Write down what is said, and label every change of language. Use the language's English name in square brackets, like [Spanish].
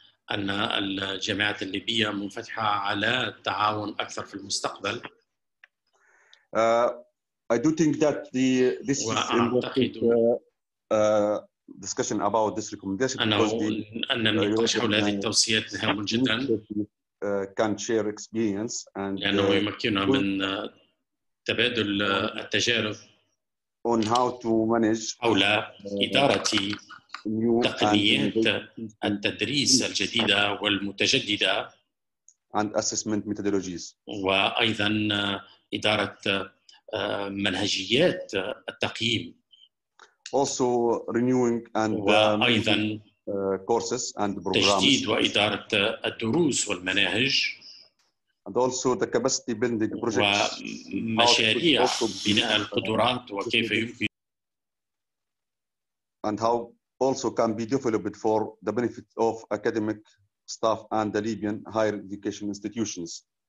[Arabic] أن الجامعات الليبية منفتحة على التعاون أكثر في المستقبل. [English] I do think that this is important discussion about this recommendation. [Arabic] أن النقاش حول هذه التوصيات هام جدا. [English] Can share experience and [Arabic] لأنه يمكننا من تبادل التجارب. [English] On how to manage [Arabic] حول إدارة تقنيات التدريس الجديدة والمتجددة [English] and assessment methodologies [Arabic] وأيضا إدارة منهجيات التقييم [English] also renewing and [Arabic] أيضا [English] courses and programs [Arabic] تجديد وإدارة الدروس والمناهج [English] and also the capacity building projects [Arabic] ومشاريع بناء القدرات وكيف يمكن [English] and how also can be developed for the benefit of academic staff and the Libyan higher education institutions.